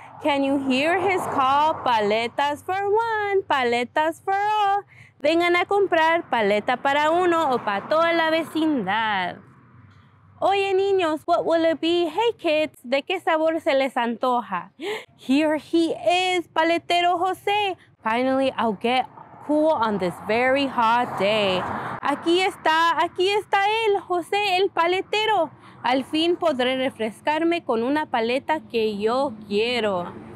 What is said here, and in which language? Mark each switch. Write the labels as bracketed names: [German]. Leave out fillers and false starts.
[English] Can you hear his call? Paletas for one, paletas for all. [Spanish] Vengan a comprar paleta para uno o para toda la vecindad. Oye, niños, [English] what will it be? Hey, kids, [Spanish] ¿de qué sabor se les antoja? [English] Here he is, Paletero José. Finally, I'll get cool on this very hot day. [Spanish] Aquí está él, José, el paletero. Al fin podré refrescarme con una paleta que yo quiero.